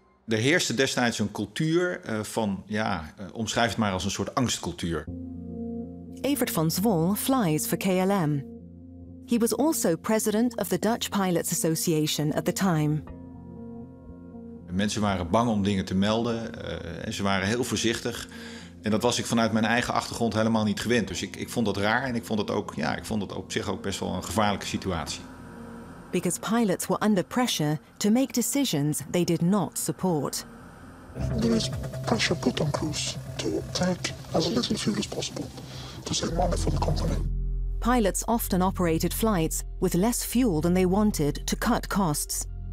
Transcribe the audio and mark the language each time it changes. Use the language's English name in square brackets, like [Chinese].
[Dutch] Er heerste destijds een cultuur van, ja, omschrijf het maar als een soort angstcultuur. [English] Evert van Zwol flies for KLM. He was also president of the Dutch Pilots Association at the time. [Dutch] Mensen waren bang om dingen te melden. En ze waren heel voorzichtig. En dat was ik vanuit mijn eigen achtergrond helemaal niet gewend. Dus ik vond dat raar en ik vond dat op zich ook best wel een gevaarlijke situatie. [English] Because pilots were under pressure to make decisions they did not support. There is pressure put on crews to take as little fuel as possible to save money for the company. Pilots often operated flights with less fuel than they wanted to cut costs.